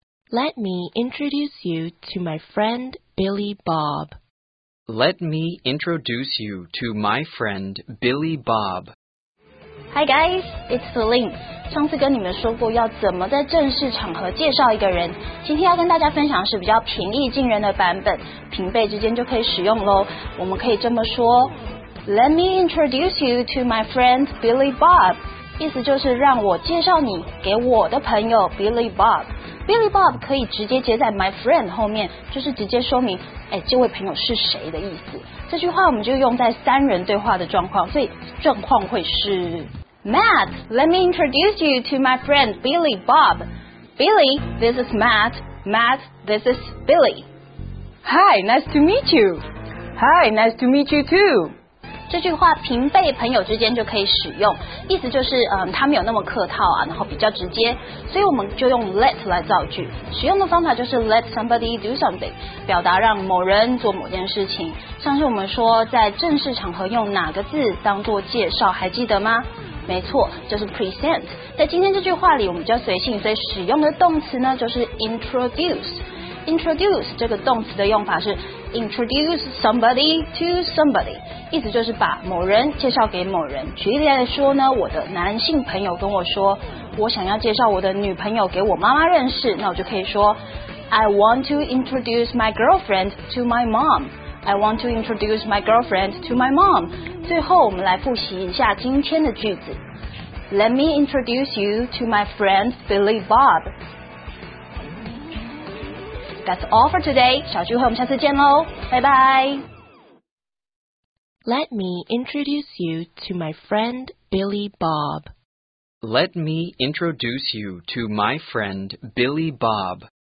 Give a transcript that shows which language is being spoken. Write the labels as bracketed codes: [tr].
[en] Let me introduce you to my friend Billy Bob. Let me introduce you to my friend Billy Bob. Hi guys, it's Celine. [zh] 上次跟你们说过要怎么在正式场合介绍一个人，今天要跟大家分享的是比较平易近人的版本，平辈之间就可以使用咯。我们可以这么说 [en] ,Let me introduce you to my friend Billy Bob. [zh] 意思就是让我介绍你给我的朋友 Billy Bob. Billy Bob 可以直接接在 my friend 后面，就是直接说明，哎，这位朋友是谁的意思。这句话我们就用在三人对话的状况，所以状况会是 [en] Matt, let me introduce you to my friend Billy Bob. Billy, this is Matt. Matt, this is Billy. Hi, nice to meet you. Hi, nice to meet you too. [zh] 这句话平辈朋友之间就可以使用，意思就是他没有那么客套啊，然后比较直接，所以我们就用 let 来造句。使用的方法就是 [en] let somebody do something， [zh] 表达让某人做某件事情。像是我们说在正式场合用哪个字当做介绍，还记得吗？没错，就是 present。在今天这句话里我们比较随性，所以使用的动词呢就是 introduce。 introduce 这个动词的用法是 [en] introduce somebody to somebody， [zh] 意思就是把某人介绍给某人。举例来说呢，我的男性朋友跟我说我想要介绍我的女朋友给我妈妈认识，那我就可以说 [en] I want to introduce my girlfriend to my mom。 I want to introduce my girlfriend to my mom. [zh] 最后我们来复习一下今天的句子。 [en] Let me introduce you to my friend Billy Bob. That's all for today. [zh] 小聚会我们下次见喽，拜拜。 [en] Let me introduce you to my friend Billy Bob. Let me introduce you to my friend Billy Bob.